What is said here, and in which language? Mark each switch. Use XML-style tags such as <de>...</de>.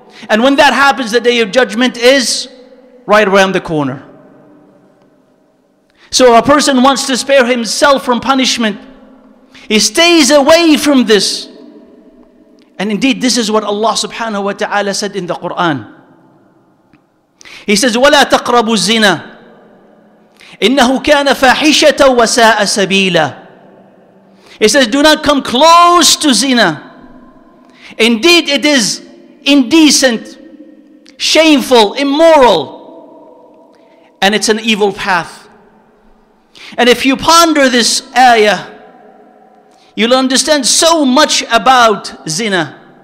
<en>And when that happens, the Day of Judgment is right around the corner. So a person wants to spare himself from punishment. He stays away from this. And indeed, this is what Allah subhanahu wa ta'ala said in the Quran. He says,</en> <ar>وَلَا تَقْرَبُوا الزِّنَا إِنَّهُ كَانَ فَاحِشَةً وَسَاءَ سَبِيلًا.</ar> <en>He says, do not come close to zina. Indeed, it is indecent, shameful, immoral, and it's an evil path. And if you ponder this ayah, you'll understand so much about zina.</en>